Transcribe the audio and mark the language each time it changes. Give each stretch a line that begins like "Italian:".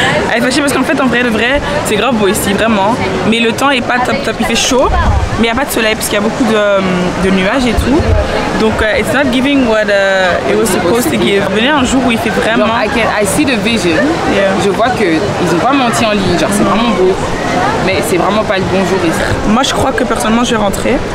French: Elle est fâchée parce qu'en fait, en vrai, de vrai, c'est grave beau ici, vraiment. Mais le temps est pas top top. Il fait chaud, mais il n'y a pas de soleil parce qu'il y a beaucoup de nuages et tout.
English: Donc, it's not giving what it was supposed to give.
French: Venez un jour où il fait vraiment.
English: Genre, I see the vision. Yeah.
French: Je vois qu'ils n'ont pas menti en ligne. Genre, c'est vraiment beau. Mais c'est vraiment pas le bon jour ici. Moi, je crois que personnellement, je vais rentrer.